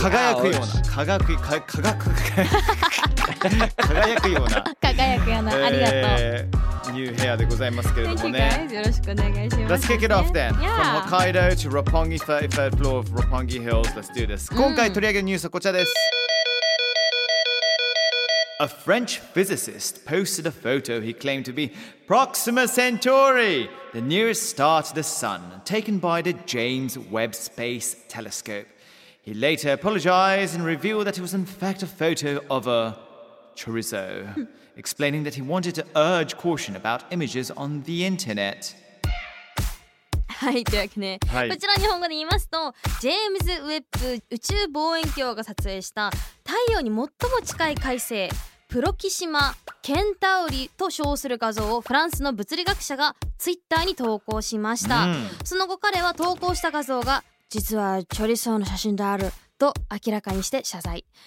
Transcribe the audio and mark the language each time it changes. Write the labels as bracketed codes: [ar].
[ja] 輝くような。輝くような。ありがとう。 [en] New hair [ja] でございますけれどもね。 [en] Thank you guys. [ja] よろしくお願いします。 [en] Let's kick it off then. Yeah. From Hokkaido to Roppongi, 33rd floor of Roppongi Hills. Let's do this. [ja] 今回取り上げるニュースはこちらです。 [en] A French physicist posted a photo he claimed to be Proxima Centauri, the nearest star to the Sun, taken by the James Webb Space Telescope. He later apologized and revealed that it was in fact a photo of a chorizo, explaining that he wanted to urge caution about images on the internet. [ja] はい、というわけで、はい、こちら日本語で言いますと、ジェームズ・ウェッブ宇宙望遠鏡が撮影した太陽に最も近い彗星プロキシマ・ケンタウリと称する画像をフランスの物理学者がツイッターに投稿しました、うん、その後彼は投稿した画像が実はチョリソーの写真であると明らかにして謝罪。